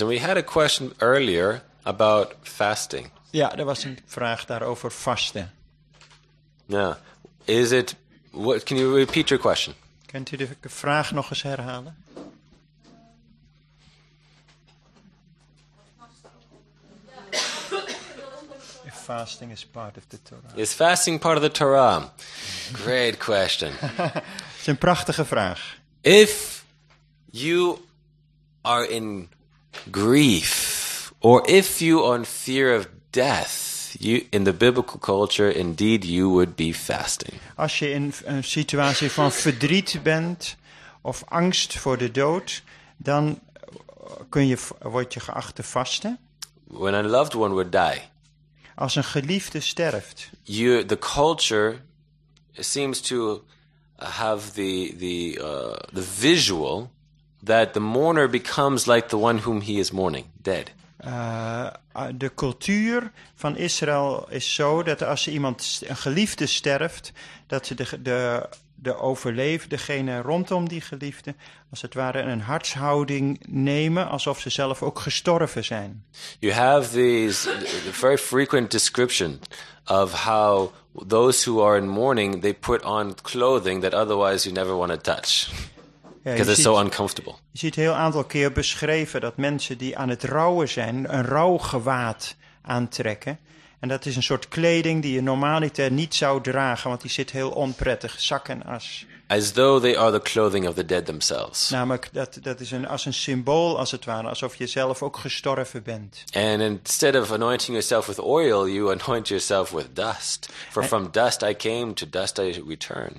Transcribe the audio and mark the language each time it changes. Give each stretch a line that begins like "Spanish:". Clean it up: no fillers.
English: And we had a question earlier about fasting.
Dutch: Ja, er was een vraag daarover vasten.
English: Yeah. Is it, what, can you repeat your question?
Dutch: Kunt u de vraag nog eens herhalen?
English: If fasting is part of the Torah. Is fasting part of the Torah? Great question.
Dutch: Het is een prachtige vraag.
English: If you are in grief, or if you are in fear of death, you, in the biblical culture, indeed you would be fasting.
Dutch: Als je in een situatie van verdriet bent, of angst voor de dood, dan word je geacht te vasten.
English: When a loved one would die.
Dutch: als een geliefde sterft.
English: You, the culture seems to have the visual that the mourner becomes like the one whom he is mourning, dead.
Dutch: De cultuur van Israël is zo dat als iemand een geliefde sterft, dat de overleefde, degene rondom die geliefde, als het ware een hartshouding nemen, alsof ze zelf ook gestorven zijn.
English: You have these very frequent description of how those who are in mourning, they put on clothing that otherwise you never want to touch. Because it's so uncomfortable.
Dutch: Je ziet heel aantal keer beschreven dat mensen die aan het rouwen zijn, een rouwgewaad aantrekken. En dat is een soort kleding die je normaliter niet zou dragen, want die zit heel onprettig, zak en as.
English: As though they are the clothing of the dead themselves.
Dutch: Namelijk, dat is als een symbool, als het ware, alsof je zelf ook gestorven bent.
English: And instead of anointing yourself with oil, you anoint yourself with dust. For from dust I came, to dust I return.